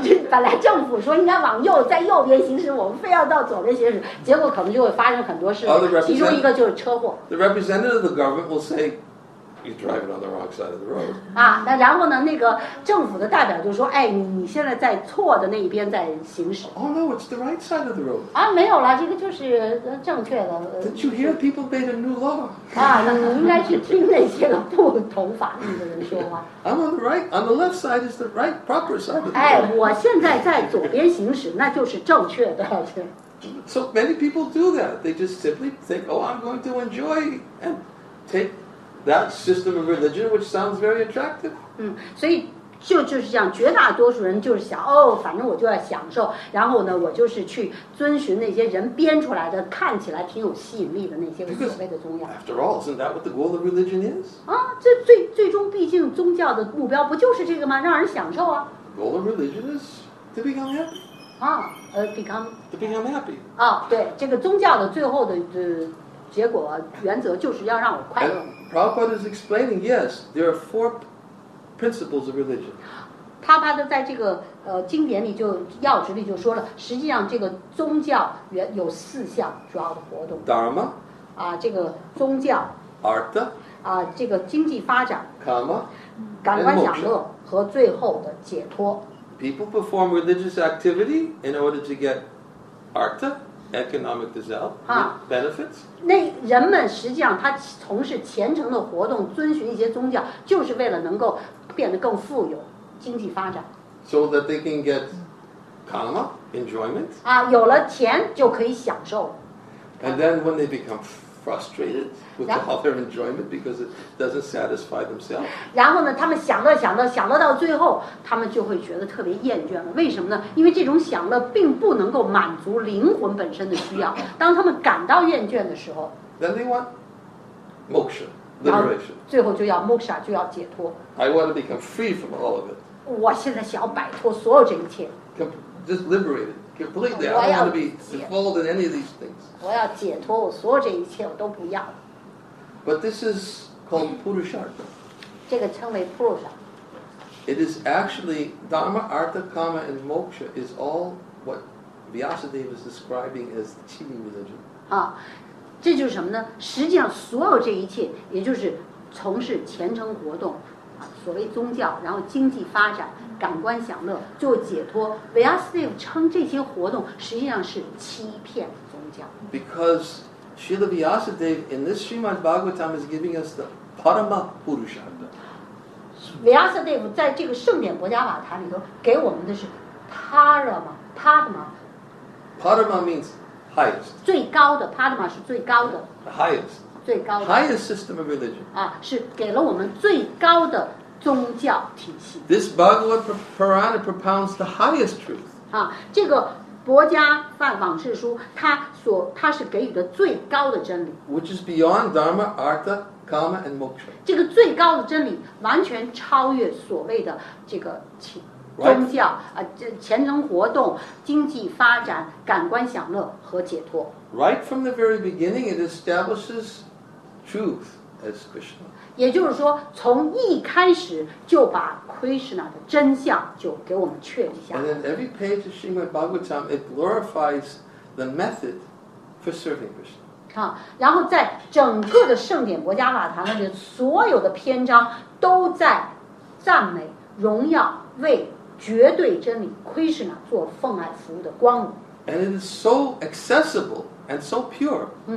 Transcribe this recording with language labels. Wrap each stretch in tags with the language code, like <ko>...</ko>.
<zh>本来政府说应该往右，在右边行驶，我们非要到左边行驶，结果可能就会发生很多事。其中一个就是车祸。</zh> <en>The representative of the government will say,You're driving on the wrong side of the road.</en> <zh>啊，那然后呢？那个政府的代表就说：“哎，你现在在错的那一边在行驶。”</zh> <en>Oh no, it's the right side of the road.</en> <zh>啊，没有了，这个就是正确的。</zh> <en>Did you hear people made a new law?</en> <zh>啊，那你应该去听那些个不同法律的人说话。</zh> <en>I'm on the right. On the left side is the right proper side of the road.</en> <zh>哎，我现在在左边行驶，那就是正确的。</zh> <en>So many people do that. They just simply think, "Oh, I'm going to enjoy and take." That system of religion, which sounds very attractive.</en> <zh>所以就是这样，绝大多数人就是想，哦，反正我就要享受，然后呢，我就是去遵循那些人编出来的，看起来挺有吸引力的那些所谓的宗教。</zh> <en>After all, isn't that what the goal of religion is?</en> <zh>啊，这最终，毕竟宗教的目标不就是这个吗？让人享受啊。</zh> <en>The goal of religion is to become happy. 啊， To become happy.</en> <zh>啊，对，这个宗教的最后的结果原则就是要让我快乐。</zh> <en>Prabhupada is explaining, yes, there are four principles of religion.</en> <zh>Prabhupada 在这个经典里就要旨里就说了，实际上这个宗教有四项主要的活动。</zh> <sa>Dharma.</sa> <zh>啊，这个宗教。</zh> <sa>Artha.</sa> <zh>啊，这个经济发展。</zh> <sa>Kama.</sa> <zh>感官享乐和最后的解脱。</zh> <en>People perform religious activity in order to get artha. Economic benefits.</en> <zh>那人们实际上他从事虔诚的活动，遵循一些宗教，就是为了能够变得更富有，经济发展。</zh> <en>So that they can get karma enjoyment.</en> <zh>啊，有了钱就可以享受。</zh> <en>And then when they become frustrated with all their enjoyment because it doesn't satisfy themselves.</en> <zh>然后呢，他们享乐到最后，他们就会觉得特别厌倦了。为什么呢？因为这种享乐并不能够满足灵魂本身的需要。当他们感到厌倦的时候</zh> <en>，Then they want moksha, liberation.</en> <zh>最后就要 moksha, 就要解脱。</zh> <en>I want to become free from all of it.</en> <zh>我现在想要摆脱所有这一切。</zh> <en>Just liberated. Completely, I don't want to be involved in any of these things.</en> <zh>我要解脱，我所有这一切我都不要。</zh> <en>But this is called Purusharth.</en> <zh>这个称为 Purusharth.</zh> <en>It is actually Dharma, Artha, Kama, and Moksha is all what Vyasadeva is describing as the Chini religion.</en> <zh>啊，这就是什么呢？实际上，所有这一切，也就是从事虔诚活动。所谓宗教，然后经济发展，感官享乐，做解脱。 Vyasadeva称这些活动实际上是欺骗宗教。</zh> <en>Because Srila Vyasadeva in this Srimad Bhagavatam is giving us the Parama Purusharth.</en> <zh>Vyasadeva 在这个圣典博伽瓦塔里头给我们的是 Parama, Parama.</zh> <en>Parama means highest.</en> <zh>最高的 Parama 是最高的。</zh> <en>The highest. Highest system of religion.</en> <zh>啊，是给了我们最高的宗教体系。</zh> <en>This Bhagavad Purana propounds the highest truth.</en> <zh>啊，这个博伽梵往事书，它是给予的最高的真理。</zh> <en>Which is beyond Dharma, Artha, Kama, and Moksha.</en> <zh>这个最高的真理完全超越所谓的这个宗教啊，这虔诚活动、经济发展、感官享乐和解脱。</zh> <en>Right from the very beginning, it establishes truth as Krishna.</en> <zh>也就是说，从一开始就把 Krishna 的真相就给我们确立下。</zh> <en>And in every page of Srimad Bhagavatam, it glorifies the method for serving Krishna.</en> <zh>然后在整个的圣典国家法坛里所有的篇章都在赞美荣耀为绝对真理 Krishna 做奉爱服务的光荣</zh> <en>and it is so accessible and so pure</en>